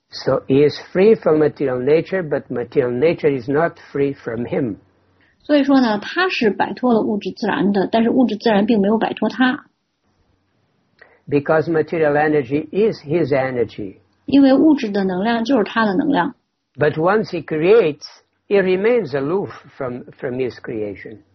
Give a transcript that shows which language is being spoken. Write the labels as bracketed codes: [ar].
[en] So he is free from material nature, but material nature is not free from him. [zh] 所以说呢，他是摆脱了物质自然的，但是物质自然并没有摆脱他。 [en] Because material energy is his energy. [zh] 因为物质的能量就是他的能量。 [en] But once he creates, he remains aloof from his creation.